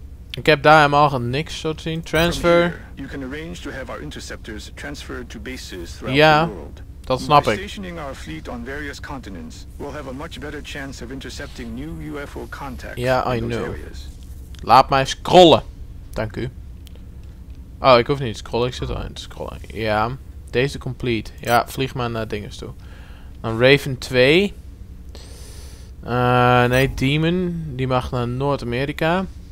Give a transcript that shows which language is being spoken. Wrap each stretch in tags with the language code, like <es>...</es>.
<nl>Ik heb daar helemaal niks zo te zien.</nl> <en>Transfer. You can arrange to have our interceptors transferred to bases throughout the world.</en> <nl>Dat snap ik.</nl> <en>By stationing our fleet on various continents, we'll have a much better chance of intercepting new UFO contacts.</en> <nl>Ja,</nl> <en>I know.</en> <nl>Laat mij scrollen. Dank u. Oh, ik hoef niet te scrollen. Ik zit al aan het scrollen. Ja. Deze complete. Ja, vlieg maar naar dinges toe. Dan Raven 2. Nee, Demon. Die mag naar Noord-Amerika.</nl>